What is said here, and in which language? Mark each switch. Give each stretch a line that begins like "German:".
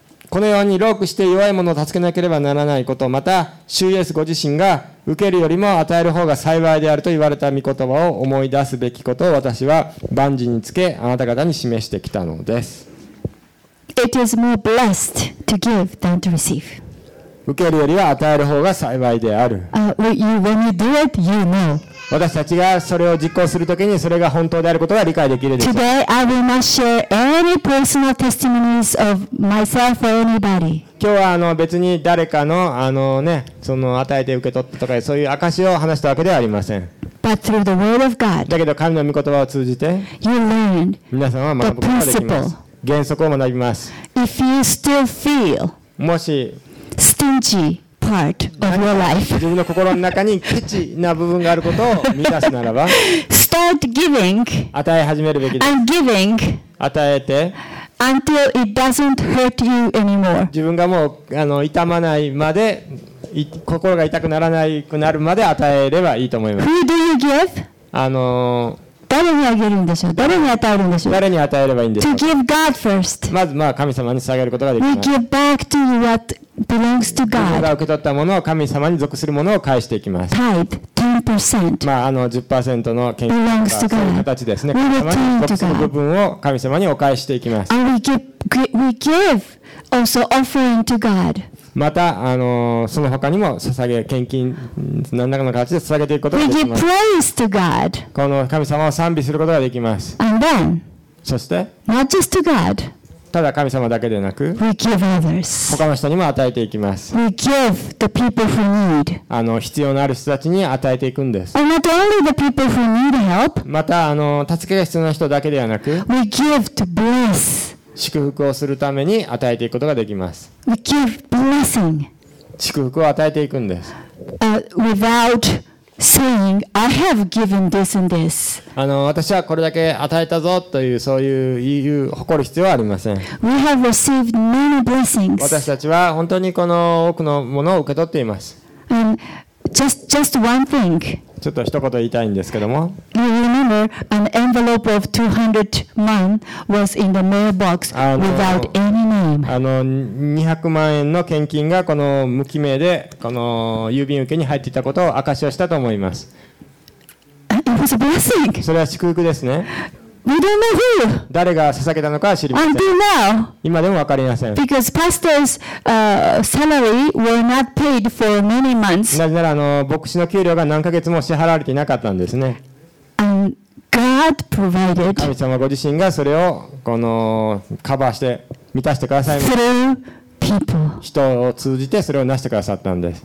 Japanese: このようにロークして弱いものを助けなければならないこと、また主イエスご自身が受けるよりも与える方が幸いであると言われた御言葉を思い出すべきことを私は万事につけあなた方に示してきたのです。
English: It is more blessed to give than to receive.
Japanese: 受けるよりは与える方が幸いである。
English: When you do it, you know.
Japanese: 私たちがそれを実行するときにそれが本当であることが理解できるでしょう。
English: Today I will not share any personal testimonies of myself or anybody.
Japanese: 今日は別に誰かの与えて受け取ったとかそういう証を話したわけではありません。
English: But through the word of God,
Japanese: だけど神の御言葉を通じて
English: you learn
Japanese: 皆さんは学ぶことができます。原則を学びます。
English: If you still feel
Japanese: もし
English: stingy part of your life
Japanese: 自分の心の中にケチな部分があることを見出すならば
English: start giving
Japanese: 与え始めるべきです。
English: and giving
Japanese: 与えて
English: until it doesn't hurt you anymore
Japanese: 自分がもう痛まないまで心が痛くならなくなるまで与えればいいと思います。
English: Who do you give?
Japanese: 誰にあげるんでしょう。誰に与えるんでしょう。誰に与えればいいんでしょう。
English: To give God first.
Japanese: まず神様に捧げることができます。
English: We give back to you what belongs to God.
Japanese: 自分が受け取ったものを神様に属するものを返していきます。
English: Tithe 10%。
Japanese: 10% の献金という形ですね。神様に属する部分を神様にお返していきます。
English: And we give also offering to God.
Japanese: またその他にも捧げ献金何らかの形で捧げていくことができます。
English: We give praise to God.
Japanese: この神様を賛美することができます。
English: And then,
Japanese: そして
English: not just to God,
Japanese: ただ神様だけでなく
English: we give others.
Japanese: 他の人にも与えていきます。
English: We give the people who need.
Japanese: 必要のある人たちに与えていくんです。
English: And not only the people who need help,
Japanese: また助けが必要な人だけではなく
English: we give to bless.
Japanese: 祝福をするために与えていくことができます。
English: We give blessing.
Japanese: 祝福を与えていくんです。
English: Without saying, I have given this and this.
Japanese: 私はこれだけ与えたぞというそういう言う誇る必要はありません。
English: We have received many blessings.
Japanese: 私たちは本当にこの多くのものを受け取っています。
English: And just one thing.
Japanese: ちょっと一言言いたいんですけども。
English: You remember an envelope of 200 man was in the mailbox without any name.
Japanese: 200万円の献金がこの無記名でこの郵便受けに入っていたことを証しをしたと思います。
English: It was a blessing.
Japanese: それは祝福ですね。
English: We don't know who.
Japanese: 誰が捧げたのかは知りません。
English: Until now.
Japanese: 今でも分かりません。
English: Because pastor's salary were not paid for many months.
Japanese: なぜなら牧師の給料が何ヶ月も支払われていなかったんですね。
English: And God provided.
Japanese: 神様ご自身がそれをこのカバーして満たしてくださいました。
English: Through people.
Japanese: 人を通じてそれを成してくださったんです。